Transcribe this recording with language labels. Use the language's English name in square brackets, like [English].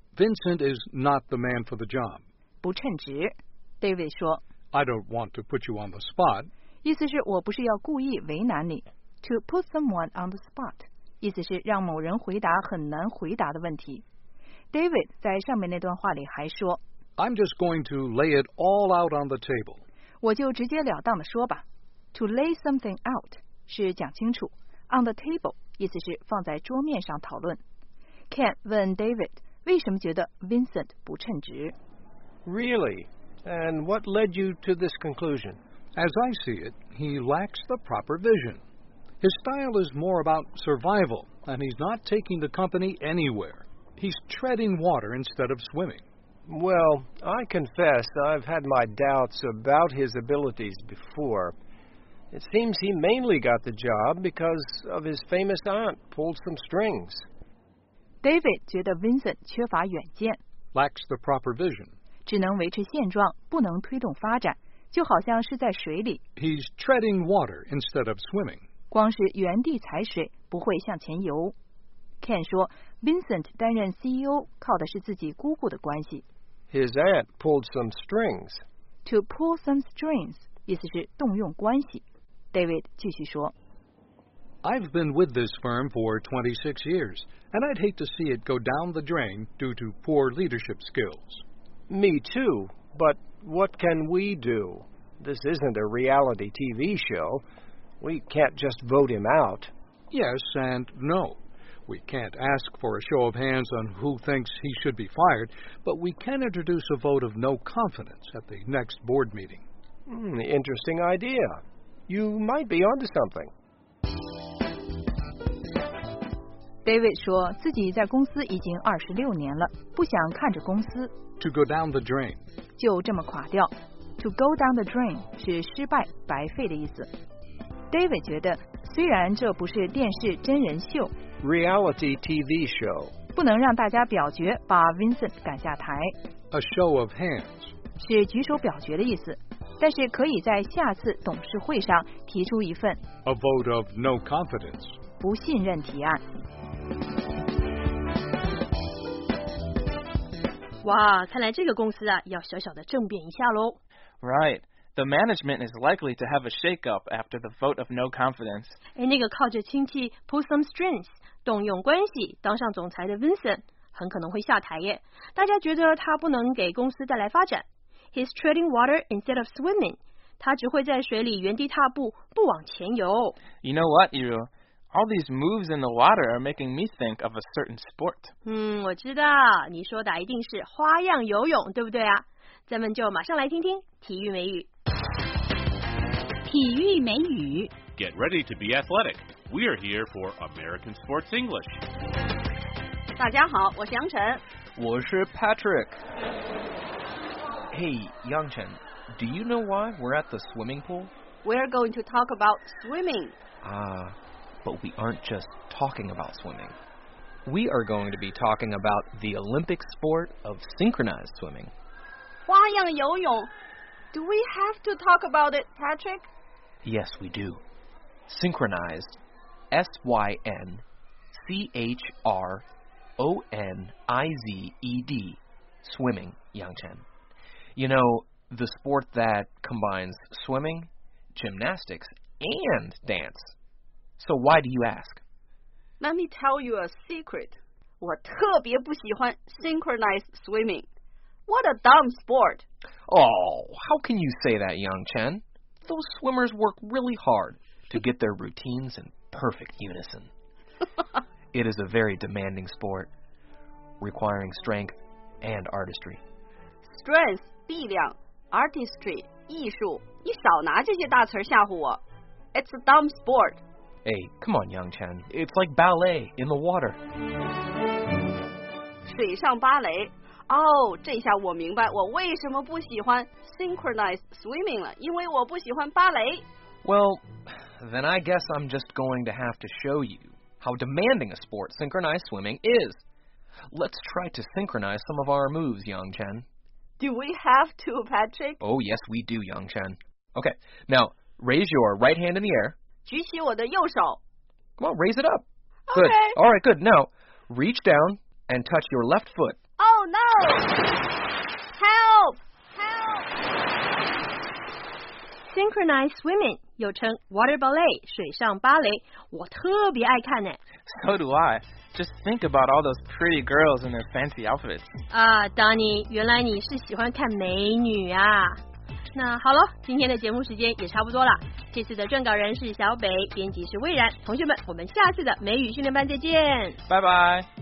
[English] Vincent is not the man for the job. [Chinese] 不称职 ,David 说。 [English] I don't want to put you on the spot. [Chinese] 意思是我不是要故意为难你。 [English] To put someone on the spot. [Chinese] 意思是让某人回答很难回答的问题。David 在上面那段话里还说。 [English] I'm just going to lay it all out on the table. [Chinese] 我就直截了当地说吧。 [English] To lay something out [Chinese] 是讲清楚。 [English] On the table [Chinese] 意思是放在桌面上讨论。Ken 问 David,为什么觉得 Vincent 不称职? [English] Really? And what led you to this conclusion? As I see it, he lacks the proper vision. His style is more about survival, and he's not taking the company anywhere. He's treading water instead of swimming. Well, I confess I've had my doubts about his abilities before. It seems he mainly got the job because of his famous aunt pulled some strings. [Chinese] David 觉得 Vincent 缺乏远见 [English] lacks the proper vision. [Chinese] 只能维持现状，不能推动发展，就好像是在水里。 [English] He's treading water instead of swimming. [Chinese] 光是原地踩水，不会向前游。Ken 说 ，Vincent 担任 CEO 靠的是自己姑姑的关系。 [English] His aunt pulled some strings. To pull some strings [Chinese] 意思是动用关系。 David 继续说 [English] ，I've been with this firm for 26 years, and I'd hate to see it go down the drain due to poor leadership skills. Me too, but what can we do? This isn't a reality TV show. We can't just vote him out. Yes and no. We can't ask for a show of hands on who thinks he should be fired, but we can introduce a vote of no confidence at the next board meeting. Interesting idea. You might be onto something. [Chinese] David 说自己在公司已经26年了，不想看着公司。 [English] To go down the drain. [Chinese] 就这么垮掉。 [English] To go down the drain [Chinese] 是失败、白费的意思。 David 觉得虽然这不是电视真人秀 [English] Reality TV show [Chinese] 不能让大家表决把 Vincent 赶下台 [English] A show of hands [Chinese] 是举手表决的意思但是可以在下次董事会上提出一份 [English] A vote of no confidence [Chinese] 不信任提案哇看来这个公司啊要小小的政变一下咯 [English] Right The management is likely to have a shake-up after the vote of no confidence. [Chinese] 哎，那个靠着亲戚 [English] pull some strings, [Chinese] 动用关系当上总裁的 Vincent 很可能会下台耶。大家觉得他不能给公司带来发展。 [English] He's treading water instead of swimming. [Chinese] 他只会在水里原地踏步，不往前游。 [English] You know what, Yiru? All these moves in the water are making me think of a certain sport. [Chinese] 我知道，你说的一定是花样游泳，对不对啊？咱们就马上来听听体育美语。体育美语 [English] Get ready to be athletic. We are here for American Sports English. [Chinese] 大家好，我是杨晨。我是 Patrick. [English] Hey, 杨晨, do you know why we're at the swimming pool? We're going to talk about swimming. But we aren't just talking about swimming. We are going to be talking about the Olympic sport of synchronized swimming. [Chinese] 花样游泳 [English] Do we have to talk about it, Patrick? Yes, we do. Synchronized. S-Y-N-C-H-R-O-N-I-Z-E-D. Swimming, Yangchen. You know, the sport that combines swimming, gymnastics, and dance. So why do you ask? Let me tell you a secret. [Chinese] 我特别不喜欢 synchronized swimming. [English] What a dumb sport. Oh, how can you say that, Yangchen? Those swimmers work really hard to get their routines in perfect unison. It is a very demanding sport, requiring strength and artistry. [Chinese] Strength, 力量, artistry, 艺术,你少拿这些大词吓唬我。 [English] It's a dumb sport. Hey, come on, Yangchen. It's like ballet in the water. [Chinese] 水上芭蕾。哦、这下我明白我为什么不喜欢 synchronized swimming 了，因为我不喜欢芭蕾。 [English] Well, then I guess I'm just going to have to show you how demanding a sport synchronized swimming is. Let's try to synchronize some of our moves, Yangchen. Do we have to, Patrick? Oh, yes, we do, Yangchen. Okay, now raise your right hand in the air. [Chinese] 举起我的右手。 [English] Come on, raise it up. Okay. Good. All right, good. Now, reach down and touch your left foot. Oh, no! Help! Help! [Chinese] Synchronized swimming, 又称 water ballet, 水上芭蕾,我特别爱看呢。 [English] So do I. Just think about all those pretty girls in their fancy outfits. [Chinese] Donnie, 原来你是喜欢看美女啊。那好了，今天的节目时间也差不多了。这次的撰稿人是小北，编辑是蔚然。同学们，我们下次的美语训练班再见。拜拜。